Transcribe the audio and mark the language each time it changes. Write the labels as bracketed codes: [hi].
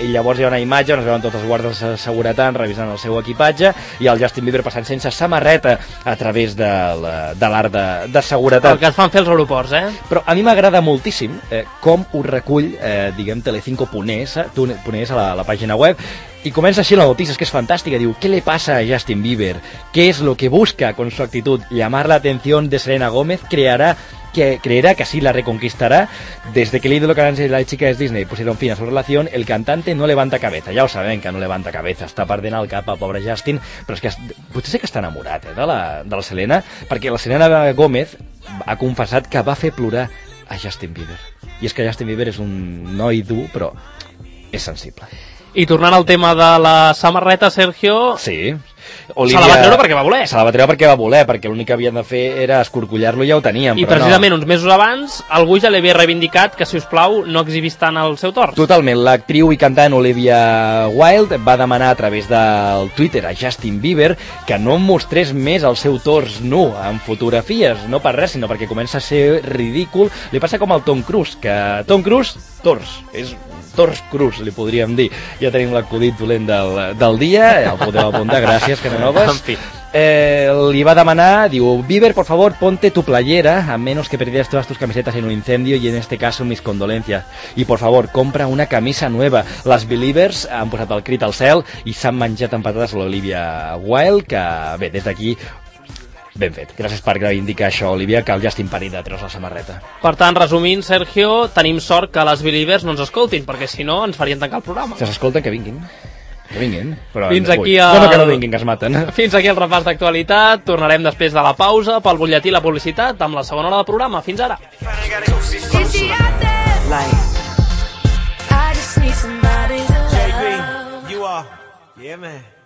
[ca] I llavors hi ha una imatge on es veuen tots els guardes de seguretat revisant el seu equipatge, i el Justin Bieber passant sense samarreta a través de l'arc de seguretat. El que et fan fer els aeroports, eh? Però a mi m'agrada moltíssim com ho recull, diguem, Telecinco.es, la pàgina web. I comença així la notícia, és que és fantàstica. Diu, què li passa a Justin Bieber? [es] ¿Qué es lo que busca con su actitud? ¿Llamar la atención de Selena Gómez? ¿Creerá que así la reconquistará? Desde que el ídolo canadiense y la chica es Disney pusieron fin a su relación, el cantante no levanta cabeza. [ca] Ja ho sabem, que [es] no levanta cabeza. [ca] Està perdent el cap al pobre Justin. Però és que potser sí que està enamorat, de la Selena. Perquè la Selena Gómez ha confessat que va fer plorar a Justin Bieber. I és que Justin Bieber és un noi dur, però és sensible. I tornant al tema de la samarreta, Sergio... Sí. Olivia, se la va treure perquè va voler. Se la va treure perquè va voler, perquè l'únic que havien de fer era escorcollar-lo, i ja ho teníem. I però precisament no. Uns mesos abans, algú ja l'havia reivindicat que, si us plau, no exhibís tant el seu tors. Totalment. L'actriu i cantant Olivia Wilde va demanar a través del Twitter a Justin Bieber que no mostrés més el seu tors nu en fotografies, no per res, sinó perquè comença a ser ridícul. Li passa com al Tom Cruise, que Tom Cruise, tors, és... Tors Cruz, li podríem dir. Ja tenim l'acudit dolent del dia, el podeu apuntar, gràcies, que no noves. Li va demanar, diu, [es] Bieber, por favor, ponte tu playera, a menos que perdieras todas tus camisetas en un incendio, y en este caso, mis condolencias. Y, por favor, compra una camisa nueva. [ca] Les Believers han posat el crit al cel i s'han menjat amb patates l'Olivia Wilde, que, bé, des d'aquí... Ben fet, gràcies per indicar això, Olivia, que el Justin parit de treure la samarreta. Per tant, resumint, Sergio, tenim sort que les Believers no ens escoltin, perquè si no ens farien tancar el programa. Si s'escolten, que vinguin. Que vinguin. Però fins aquí que no vinguin, que es maten. Fins aquí el repàs d'actualitat. Tornarem després de la pausa pel butlletí i la publicitat amb la segona hora del programa. Fins ara. [en] Life. I just need somebody to love. JP, you are... Yeah, man.